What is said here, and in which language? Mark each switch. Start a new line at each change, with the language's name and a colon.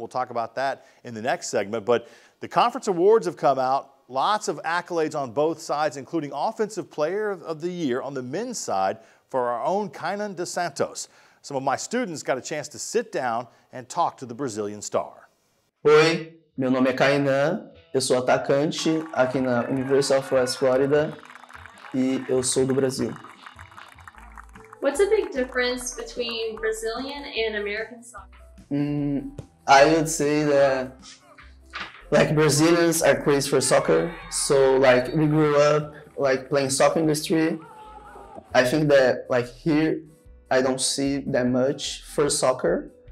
English: We'll talk about that in the next segment. But the conference awards have come out. Lots of accolades on both sides, including Offensive Player of the Year on the men's side, for our own Kynan dos Santos. Some of my students got a chance to sit down and talk to the Brazilian star.
Portuguese: Oi, meu nome é Kynan, eu sou atacante aqui na University of West Florida e eu sou do Brasil.
English: What's a big difference between Brazilian and American soccer? I would say that, like, Brazilians are crazy for soccer, so, like, we grew up, like, playing soccer in the street. I think that, like, here, I don't see that much for soccer.